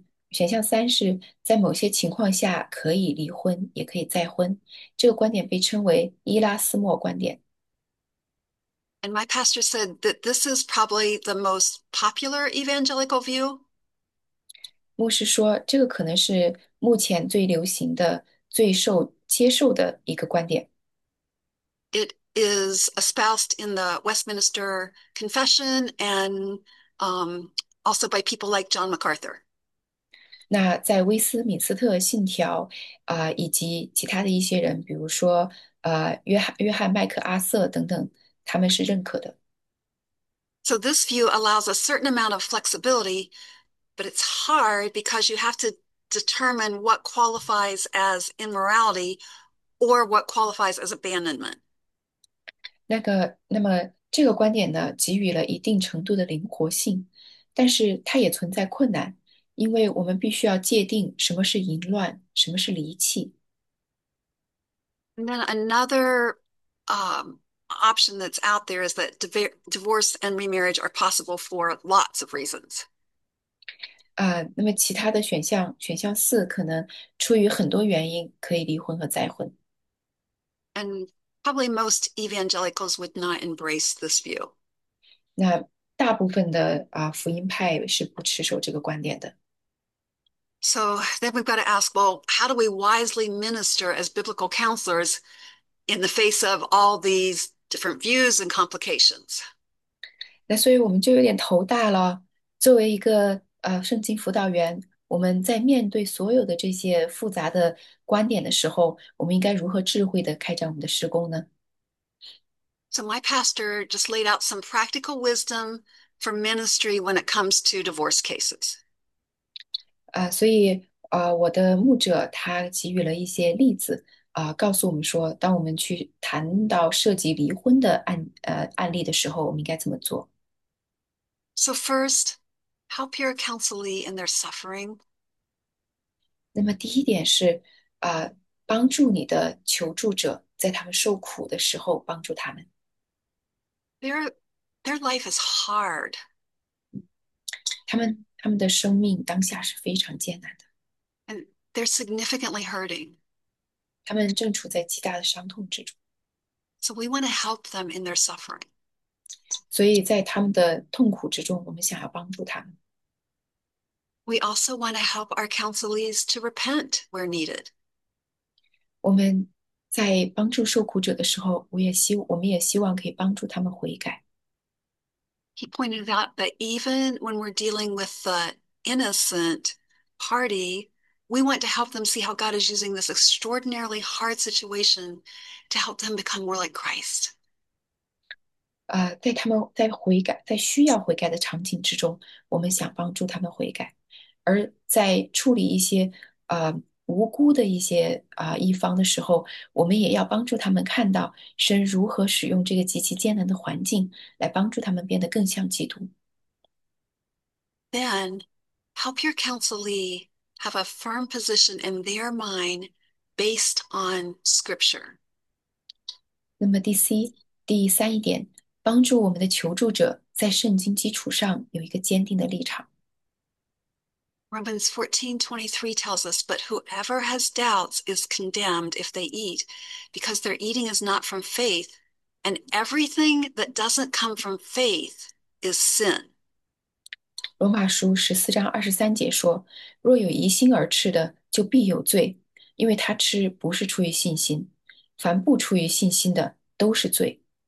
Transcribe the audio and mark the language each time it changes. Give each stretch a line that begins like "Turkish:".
Chinese: 选项三是在某些情况下可以离婚，也可以再婚。这个观点被称为伊拉斯莫观点。
English: And my pastor said that this is probably the most popular evangelical view.
Chinese: 牧师说，这个可能是目前最流行的、最受接受的一个观点。
English: It is espoused in the Westminster Confession and also by people like John MacArthur.
Chinese: 那在威斯敏斯特信条，以及其他的一些人，比如说，约翰·麦克阿瑟等等，他们是认可的。
English: So, this view allows a certain amount of flexibility, but it's hard because you have to determine what qualifies as immorality or what qualifies as abandonment.
Chinese: 那么这个观点呢，给予了一定程度的灵活性，但是它也存在困难，因为我们必须要界定什么是淫乱，什么是离弃。
English: And then another, option that's out there is that divorce and remarriage are possible for lots of reasons.
Chinese: 那么其他的选项四可能出于很多原因可以离婚和再婚。
English: And probably most evangelicals would not embrace this view.
Chinese: 那大部分的福音派是不持守这个观点的。
English: So then we've got to ask, well, how do we wisely minister as biblical counselors in the face of all these different views and complications?
Chinese: 那所以我们就有点头大了，作为一个。圣经辅导员，我们在面对所有的这些复杂的观点的时候，我们应该如何智慧地开展我们的事工呢？
English: So my pastor just laid out some practical wisdom for ministry when it comes to divorce cases.
Chinese: 所以我的牧者他给予了一些例子，告诉我们说，当我们去谈到涉及离婚的案例的时候，我们应该怎么做？
English: So first, help your counselee in their suffering.
Chinese: 那么第一点是，帮助你的求助者在他们受苦的时候帮助他们。
English: Their life is hard.
Chinese: 他们的生命当下是非常艰难的，
English: And they're significantly hurting.
Chinese: 他们正处在极大的伤痛之中，
English: So we want to help them in their suffering.
Chinese: 所以在他们的痛苦之中，我们想要帮助他们。
English: We also want to help our counselees to repent where needed.
Chinese: 我们在帮助受苦者的时候，我们也希望可以帮助他们悔改。
English: He pointed out that even when we're dealing with the innocent party, we want to help them see how God is using this extraordinarily hard situation to help them become more like Christ.
Chinese: 在他们在悔改，在需要悔改的场景之中，我们想帮助他们悔改，而在处理一些无辜的一方的时候，我们也要帮助他们看到神如何使用这个极其艰难的环境来帮助他们变得更像基督。
English: Then help your counselee have a firm position in their mind based on scripture.
Chinese: 那么第三一点，帮助我们的求助者在圣经基础上有一个坚定的立场。
English: Romans 14:23 tells us, but whoever has doubts is condemned if they eat, because their eating is not from faith, and everything that doesn't come from faith is sin.
Chinese: 罗马书14:23说：“若有疑心而吃的，就必有罪，因为他吃不是出于信心。凡不出于信心的，都是罪。